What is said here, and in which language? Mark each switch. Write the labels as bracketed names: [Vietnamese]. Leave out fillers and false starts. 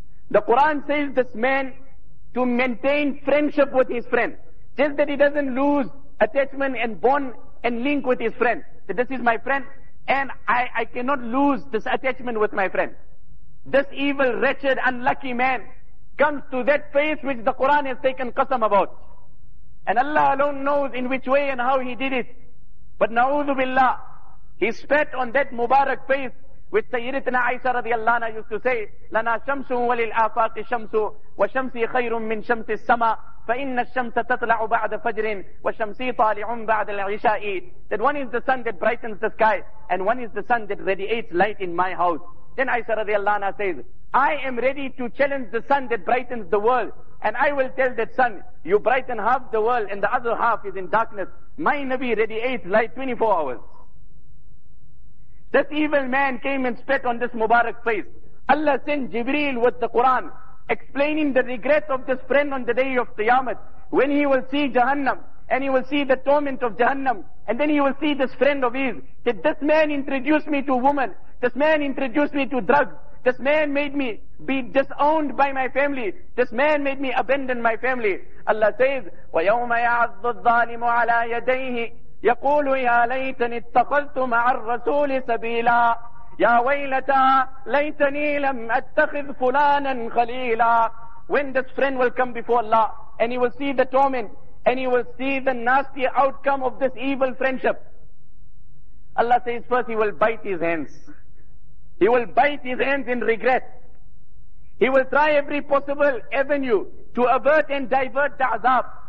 [English] The Quran says this man to maintain friendship with his friend, just that he doesn't lose attachment and bond and link with his friend, that this is my friend and I cannot lose this attachment with my friend. This evil, wretched, unlucky man comes to that faith which the Quran has taken qasam about. And Allah alone knows in which way and how he did it. But na'udhu billah, he spat on that Mubarak faith which Sayyidatina Aisha radiallahu anha used to say, [Arabic] لَنَا شَمْسُ وَلِلْ آفَاقِ شَمْسُ وَشَمْسِ خَيْرٌ مِّنْ شَمْسِ السَّمَا فَإِنَّ الشَّمْسَ تَطْلَعُ بَعْدَ فَجْرٍ وَشَمْسِي طَالِعٌ بَعْدَ الْعِشَاءِ. [English] That one is the sun that brightens the sky and one is the sun that radiates light in my house. Then Aisha radiallahu anha says, I am ready to challenge the sun that brightens the world. And I will tell that sun, you brighten half the world and the other half is in darkness. My Nabi radiates light 24 hours. This evil man came and spat on this Mubarak face. Allah sent Jibreel with the Quran, explaining the regret of this friend on the day of Qiyamah, when he will see Jahannam, and he will see the torment of Jahannam, and then he will see this friend of his, that this man introduced me to a woman, this man introduced me to drugs, this man made me be disowned by my family, this man made me abandon my family. Allah says, [Arabic] وَيَوْمَ يَعَضُّ الظَّالِمُ عَلَىٰ يَدَيْهِ يَقُولُ يَا لَيْتَنِ اتَّخَذْتُ مَعَ الرَّسُولِ سَبِيلًا يَا وَيْلَتَا لَيْتَنِي لَمْ أَتَّخِذْ فُلَانًا خَلِيلًا. [English] When this friend will come before Allah and he will see the torment and he will see the nasty outcome of this evil friendship, Allah says, first he will bite his hands. He will bite his hands in regret. He will try every possible avenue to avert and divert the azab.